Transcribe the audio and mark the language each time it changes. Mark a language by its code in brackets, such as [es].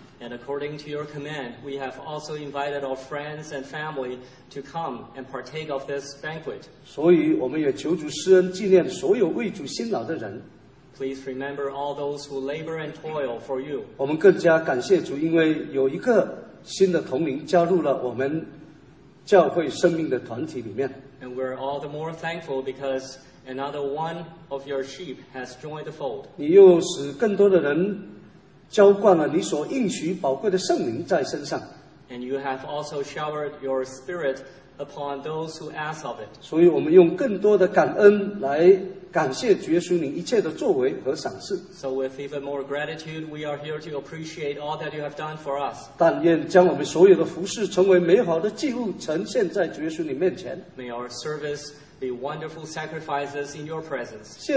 [en] And according to your command, we have also invited our friends and family to come and partake of this banquet. [zh] 所以我们也求主施恩纪念所有为主辛劳的人。 [en] Please remember all those who labor and toil for you. [zh] 我们更加感谢主，因为有一个新的同龄加入了我们 教会生命的团体里面。 [en] And we're all the more thankful because another one of your sheep has joined the fold. [zh] 你又使更多的人浇灌了你所应许宝贵的圣灵在身上。 [en] And you have also showered your spirit upon those who ask of it. [zh] 所以我们用更多的感恩来感谢主耶稣您一切的作为和赏赐。 [en] So with even more gratitude, we are here to appreciate all that you have done for us. [zh] 但愿将我们所有的服事成为美好的祭物呈现在主耶稣您面前。 [en] May our service be wonderful sacrifices in your presence.